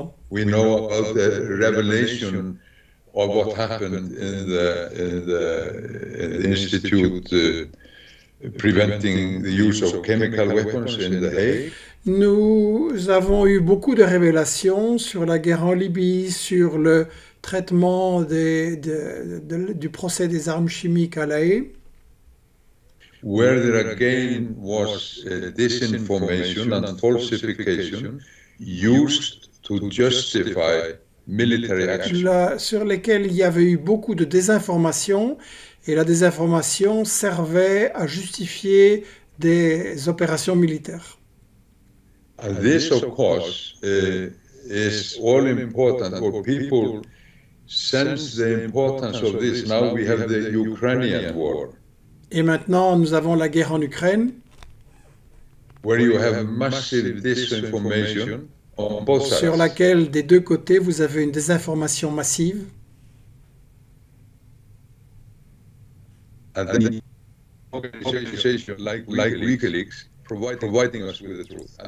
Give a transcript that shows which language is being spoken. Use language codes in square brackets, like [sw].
[en] We know about the revelation of what happened in the institute preventing the use of chemical weapons in The Hague. [fr] Nous avons eu beaucoup de révélations sur la guerre en Libye, sur le traitement du procès des armes chimiques à La Haye. [en] Where there again was disinformation and falsification used to justify military action. [fr] Sur lesquels il y avait eu beaucoup de désinformation, et la désinformation servait à justifier des opérations militaires. [en] And this, of course, is all important, or people sense the importance of this. Now we have the Ukrainian war. [fr] Et maintenant, nous avons la guerre en Ukraine. [en] Where you have massive disinformation on both sides. [fr] Sur laquelle, des deux côtés, vous avez une désinformation massive. [en] And an organization like WikiLeaks providing us with the truth.